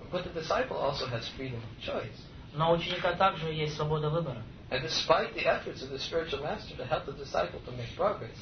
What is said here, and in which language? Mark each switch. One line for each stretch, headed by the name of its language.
English: But the disciple also has freedom of choice.
Russian: Но у ученика также есть свобода выбора.
English: And despite the efforts of the spiritual master to help the disciple to make progress.